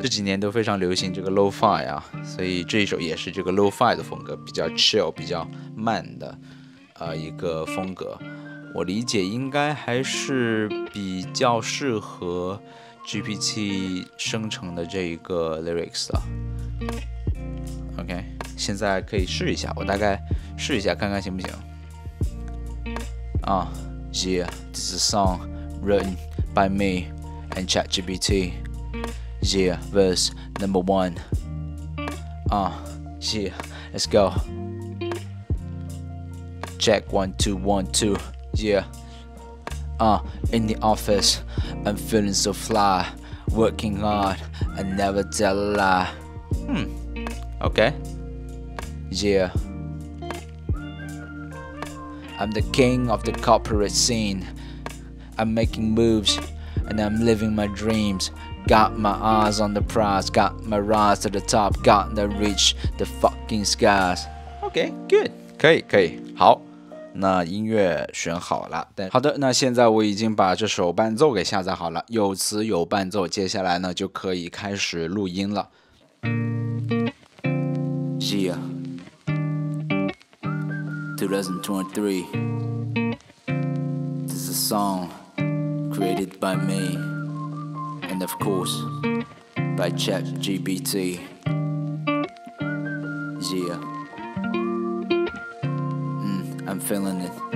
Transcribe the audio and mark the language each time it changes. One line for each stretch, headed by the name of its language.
Chinese: 这几年都非常流行这个 lo-fi 啊，所以这一首也是这个 lo-fi 的风格，比较 chill， 比较慢的一个风格。我理解应该还是比较适合 GPT 生成的这一个 lyrics 的。 OK， 现在可以试一下，我大概试一下看看行不行。
English: Yeah, this is a song written by me and ChatGPT. Yeah, verse number one. Yeah, let's go. Check 1, 2, 1, 2. Yeah, in the office, I'm feeling so fly. Working hard, I never tell a lie. Okay. Yeah, I'm the king of the corporate scene. I'm making moves, and I'm living my dreams. Got my eyes on the prize, got my rise to the top, got to reach the fucking skies. Okay, good.
Chinese: 可以，可以，好。那音乐选好了，好的，那现在我已经把这首伴奏给下载好了，有词有伴奏，接下来呢就可以开始录音了。
English: Yeah 2023 This is a song created by me And of course by ChatGPT. YeahI'm feeling it.